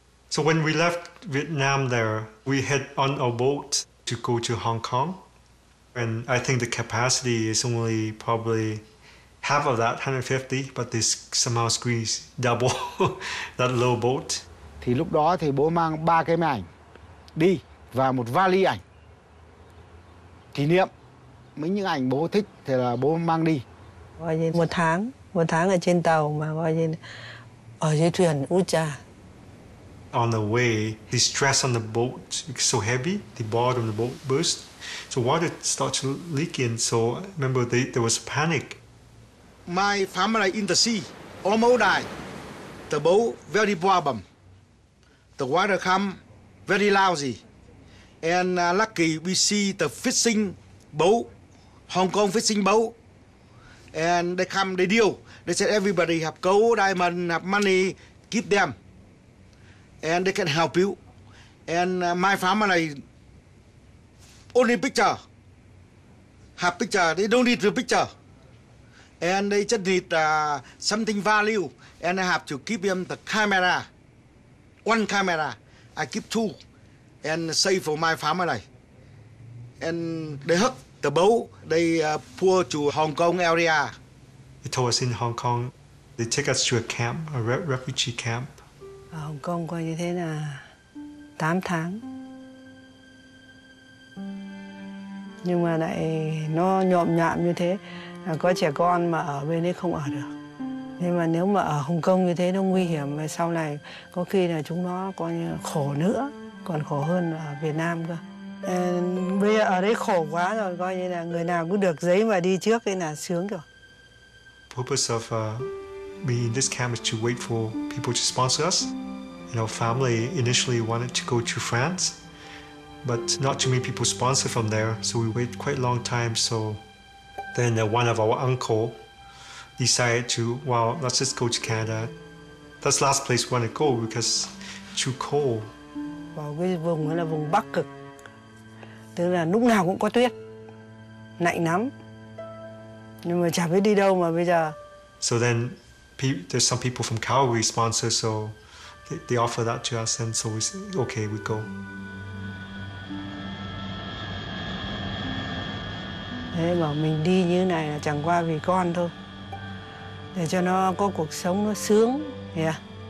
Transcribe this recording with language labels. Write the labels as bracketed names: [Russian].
[English] So when we left Vietnam there, we head on a boat to go to Hong Kong. And I think the capacity is only probably half of that, 150, but they somehow squeeze double that little boat. [Vietnamese] Thì lúc đó thì bố mang 3 cái máy ảnh đi và một vali ảnh kỷ niệm. Mấy những ảnh bố thích thì là bố mang đi. Một tháng ở trên tàu mà coi như ở dưới thuyền út trà. [English] On the way, the stress on the boat is so heavy, the bottom of the boat burst. So water starts leaking, so remember there was panic. My family in the sea, almost died. The boat very problem. The water come very lousy. And lucky we see the fishing boat, Hong Kong fishing boat. And they come, they deal. They said everybody have gold, diamond, have money, keep them. And they can help you. And my family, only picture. Have picture, they don't need the picture. And they just need something value. And I have to keep them the camera. One camera, I keep 2, and save for my family. And they hook the boat, they pull to Hong Kong area. They told us in Hong Kong, they take us to a camp, a refugee camp. [Vietnamese] Hong Kong coi như thế là 8 tháng. Nhưng mà lại nó nhộm nhạm như thế, có trẻ con mà ở bên ấy không ở được. Nhưng mà nếu mà ở Hồng Kông như thế nó nguy hiểm, và sau này có khi là chúng nó coi như khổ nữa, còn khổ hơn ở Việt Nam cơ. Bây giờ ở đấy khổ quá rồi, coi như là người nào cũng được giấy mà đi trước thì là sướng rồi. [English] Purpose of being in this camp is to wait for people to sponsor us. And our family initially wanted to go to France, but not too many people sponsor from there, so we wait quite a long time. So then one of our uncle decided to, well, let's just go to Canada. That's the last place we want to go because it's too cold. [Vietnamese] Vào cái vùng đó là vùng Bắc Cực, tức là lúc nào cũng có tuyết, lạnh lắm. Nhưng mà chả biết đi đâu mà bây giờ. [English] So then, there's some people from Calgary sponsor, so they offer that to us, and so we say, okay, we go. [Vietnamese] Thế bảo mình đi như này là chẳng qua vì con thôi, để cho nó có cuộc sống nó sướng, yeah.